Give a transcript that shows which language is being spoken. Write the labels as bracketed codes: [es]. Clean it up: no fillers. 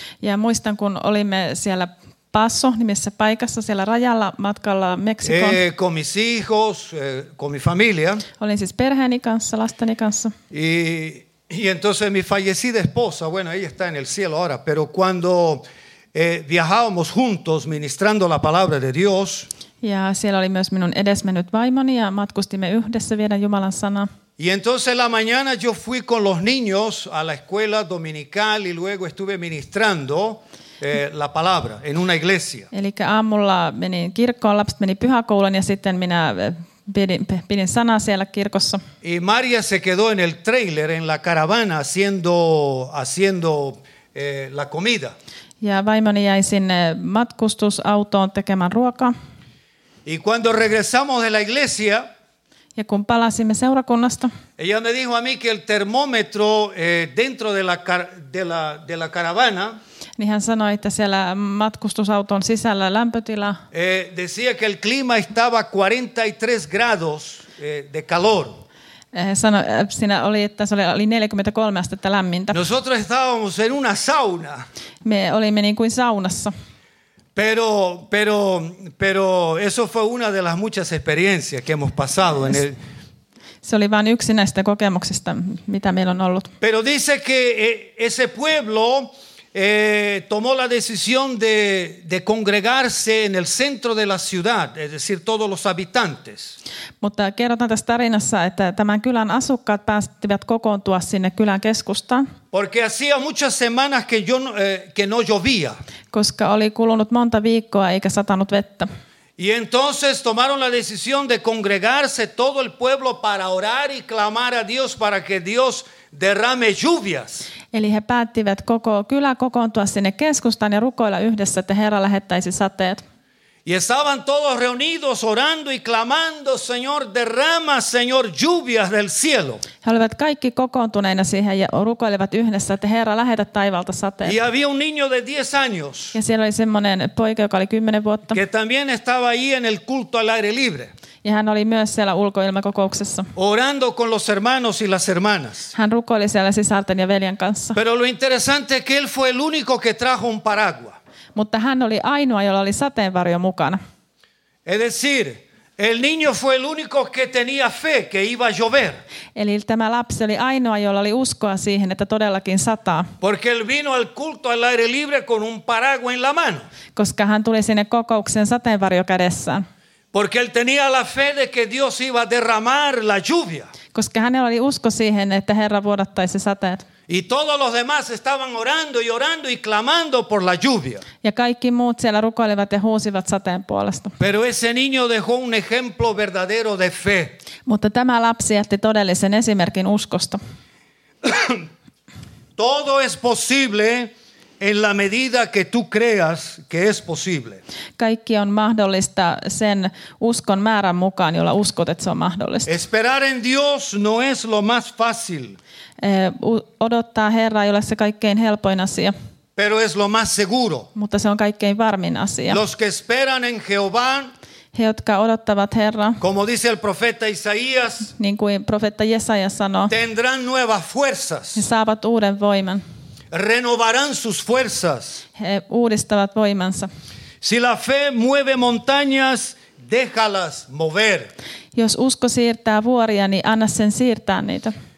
[fi] Ja muistan, kun olimme siellä Paso nimessä paikassa siellä rajalla matkalla Meksikoon. [es] Con mis hijos, con mi familia. [fi] Olin siis perheeni kanssa, lasteni kanssa. [es] Y entonces mi fallecida esposa, bueno, ella está en el cielo ahora, pero cuando viajábamos juntos ministrando la palabra de Dios. [fi] Ja siellä oli myös minun edesmennyt vaimoni ja matkustimme yhdessä viedä Jumalan sanaa. [es] Y entonces la mañana yo fui con los niños a la escuela dominical y luego estuve ministrando la palabra en una iglesia. [fi] Eli aamulla menin kirkkoon, lapset meni pyhäkoulun ja sitten minä pidin sanaa siellä kirkossa. [es] Y María se quedó en el trailer, en la caravana, haciendo la comida. [fi] Ja vaimoni jäi sinne matkustusautoon tekemään ruokaa. [es] Y cuando regresamos de la iglesia, [fi] ja kun palasimme seurakunnasta, [es] ella me dijo a mí que el termómetro dentro de la caravana, [fi] niin hän sanoi, että siellä matkustusauton sisällä lämpötila, [es] decía que el clima estaba 43 grados de calor. [fi] Siinä oli, että se oli 43 astetta lämmintä. [es] Nosotros estábamos en una sauna. [fi] Me olimme niin kuin saunassa. [es] Pero eso fue una de las muchas experiencias que hemos pasado en el. [fi] Se oli vain yksi näistä kokemuksista, mitä meillä on ollut. [es] Pero dice que ese pueblo tomó la decisión de congregarse en el centro de la ciudad, es decir, todos los habitantes. [fi] Mutta kerrotaan tässä tarinassa, että tämän kylän asukkaat päästivät kokoontua sinne kylän keskustaan. [es] Porque hacía muchas semanas que no llovía. [fi] Koska oli kulunut monta viikkoa eikä satanut vettä. [es] Y entonces tomaron la decisión de congregarse todo el pueblo para orar y clamar a Dios para que Dios derrame lluvias. [fi] Eli he päättivät koko kylä kokoontua sinne keskustaan ja rukoilla yhdessä, että Herra lähettäisi sateet. [es] Y estaban todos reunidos orando y clamando, Señor, derrama, Señor, lluvias del cielo. [fi] He olivat kaikki kokoontuneina siihen ja rukoilivat yhdessä, että Herra lähetä taivalta sateen. [es] Y había un niño de 10 años. [fi] Ja siellä oli semmoinen poika, joka oli 10 vuotta. [es] Que también estaba ahí en el culto al aire libre. [fi] Ja hän oli myös siellä ulkoilmakokouksessa. [es] Orando con los hermanos y las hermanas. [fi] Hän rukoili siellä sisarten ja veljen kanssa. [es] Pero lo interesante es que él fue el único que trajo un paraguas. [fi] Mutta hän oli ainoa, jolla oli sateenvarjo mukana. [es] Es decir, el niño fue el único que tenía fe que iba a llover. [fi] Eli tämä lapsi oli ainoa, jolla oli uskoa siihen, että todellakin sataa. [es] Porque él vino al culto al aire libre con un paraguas en la mano. [fi] Koska hän tuli sinne kokoukseen sateenvarjo kädessään. [es] Porque él tenía la fe de que Dios iba a derramar la lluvia. [fi] Koska hänellä oli usko siihen, että Herra vuodattaisi sateet. [es] Y todos los demás estaban orando y clamando por la lluvia. [fi] Ja kaikki muut siellä rukoilivat ja huusivat sateen puolesta. [es] Pero ese niño dejó un ejemplo verdadero de fe. [fi] Mutta tämä lapsi jätti todellisen esimerkin uskosta. [es] Todo es posible en la medida que tú creas que es posible. [fi] Kaikki on mahdollista sen uskon määrän mukaan, jolla uskot, että se on mahdollista. [es] Esperar en Dios no es lo más fácil. [fi] Odottaa Herraa, jolle se kaikkein helpoin asia. [es] Pero es lo más seguro. [fi] Mutta se on kaikkein varmin asia. [es] Los que esperan en Jehová. [fi] He, jotka odottavat Herra. [es] Como dice el profeta Isaías. [fi] Niin kuin profeetta Jesaja sanoo. [es] Tendrán nuevas fuerzas. [fi] He saavat uuden voiman. [es] Renovarán sus fuerzas. [fi] He uudistavat voimansa. [es] Si la fe mueve montañas, déjalas mover. [fi] Jos usko siirtää vuoria, niin anna sen siirtää niitä.